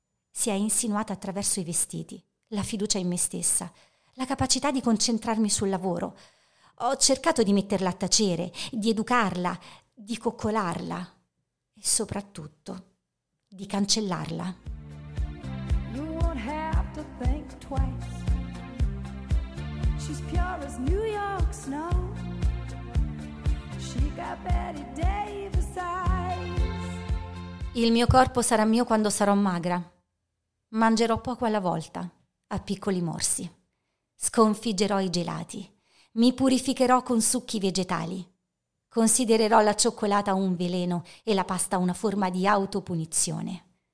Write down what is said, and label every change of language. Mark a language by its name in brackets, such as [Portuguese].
[Italian] Si è insinuata attraverso i vestiti, la fiducia in me stessa, la capacità di concentrarmi sul lavoro. Ho cercato di metterla a tacere, di educarla, di coccolarla e soprattutto di cancellarla. [English] You won't have to think twice. She's pure as New York snow. She got Betty Davis eyes. [Italian] Il mio corpo sarà mio quando sarò magra. Mangerò poco alla volta, a piccoli morsi. Sconfiggerò i gelati. Mi purificherò con succhi vegetali. Considererò la cioccolata un veleno e la pasta una forma di autopunizione.